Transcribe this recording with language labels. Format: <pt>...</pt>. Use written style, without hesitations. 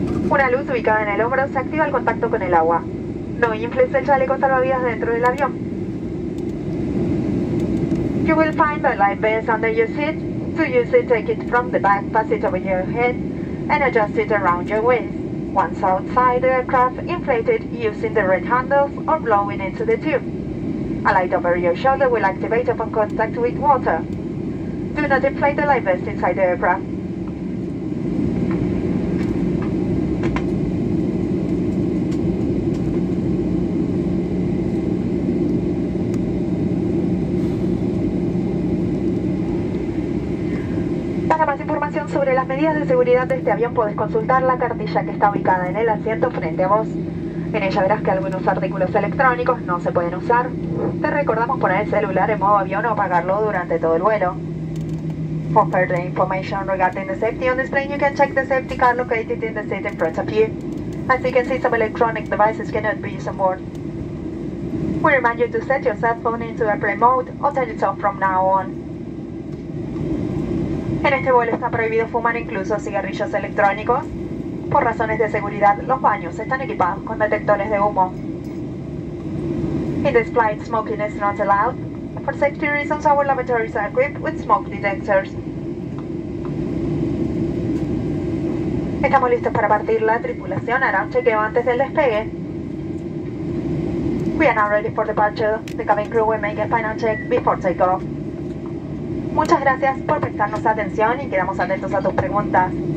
<es>Una luz ubicada en el hombro se activa al contacto con el agua. No infles el chaleco salvavidas dentro del avión.</es> <en>You will find a light vest under your seat. To use it, take it from the back passage over your head and adjust it around your waist. Once outside the aircraft, inflate it using the red handles or blowing into the tube. A light over your shoulder will activate upon contact with water. Do not inflate the light vest inside the aircraft.</en> <es>Sobre las medidas de seguridad de este avión podés consultar la cartilla que está ubicada en el asiento frente a vos. En ella verás que algunos artículos electrónicos no se pueden usar. Te recordamos poner el celular en modo avión o apagarlo durante todo el vuelo.</es> <en>For further information regarding the safety on this plane, you can check the safety card located in the seat in front of you. As you can see, some electronic devices cannot be used on board. We remind you to set your cell phone into airplane mode or turn it off from now on.</en> <es>En este vuelo está prohibido fumar incluso cigarrillos electrónicos. Por razones de seguridad, los baños están equipados con detectores de humo.</es> <en>In this flight, smoking is not allowed. For safety reasons, our lavatories are equipped with smoke detectors.</en> <es>Estamos listos para partir. La tripulación hará un chequeo antes del despegue.</es> <en>We are now ready for departure. The cabin crew will make a final check before takeoff.</en> <es>Muchas gracias por prestarnos atención y quedamos atentos a tus preguntas.</es>